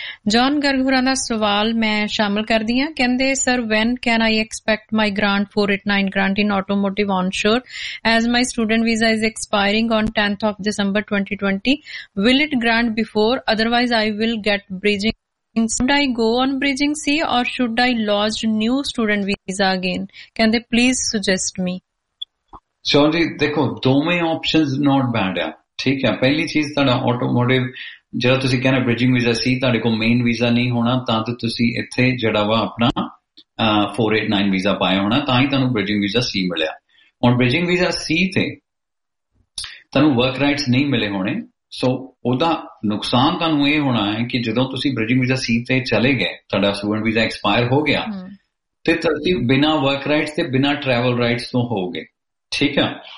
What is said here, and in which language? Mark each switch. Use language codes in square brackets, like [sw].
[pa] John Garg ਹੁਰਾਂ ਦਾ ਸਵਾਲ ਮੈਂ ਸ਼ਾਮਲ ਕਰਦੀ ਹਾਂ। ਕਹਿੰਦੇ, sir, [en] When can I expect my grant 489 grant in automotive onshore as my student visa is expiring on 10th of December 2020। Will it grant before, otherwise I will get bridging. Should I go on bridging C or should I lodge new student visa again? Can they please suggest me? [pa] Chaudhary, ਜੀ ਦੇਖੋ, ਦੋਵੇਂ options [en] not bad [pa] ਆ, ਠੀਕ ਹੈ। ਪਹਿਲੀ ਚੀਜ਼ ਤੁਹਾਡਾ automotive ਜਿਹੜਾ ਤੁਸੀਂ ਕਹਿੰਦੇ ਬ੍ਰਿਜਿੰਗ ਵੀਜ਼ਾ ਸੀ, ਤੁਹਾਡੇ ਕੋਲ ਮੇਨ ਵੀਜ਼ਾ ਨਹੀਂ ਹੋਣਾ ਤਾਂ ਤੇ ਤੁਸੀਂ ਇੱਥੇ ਜਿਹੜਾ ਵਾ ਆਪਣਾ 489 ਵੀਜ਼ਾ ਪਾਇਆ ਹੋਣਾ, ਤਾਂ ਹੀ ਤੁਹਾਨੂੰ ਬ੍ਰਿਜਿੰਗ ਵੀਜ਼ਾ ਸੀ ਮਿਲਿਆ। ਹੁਣ ਬ੍ਰਿਜਿੰਗ ਵੀਜ਼ਾ ਸੀ ਤੇ ਤੁਹਾਨੂੰ ਵਰਕ ਰਾਈਟਸ ਨਹੀਂ ਮਿਲੇ ਹੋਣੇ, ਸੋ ਉਹਦਾ ਨੁਕਸਾਨ ਤੁਹਾਨੂੰ ਇਹ ਹੋਣਾ ਹੈ ਕਿ ਜਦੋਂ ਤੁਸੀਂ ਬ੍ਰਿਜਿੰਗ ਵੀਜ਼ਾ ਸੀ ਤੇ ਚਲੇ ਗਏ, ਤੁਹਾਡਾ ਸਟੂਡੈਂਟ ਵੀਜ਼ਾ ਐਕਸਪਾਇਰ ਹੋ ਗਿਆ, ਤੇ ਤੁਸੀਂ ਬਿਨਾਂ ਵਰਕ ਰਾਈਟਸ ਤੇ ਬਿਨਾਂ ਟਰੈਵਲ ਰਾਈਟਸ ਤੋਂ ਹੋਵੋਗੇ, ਠੀਕ ਆ।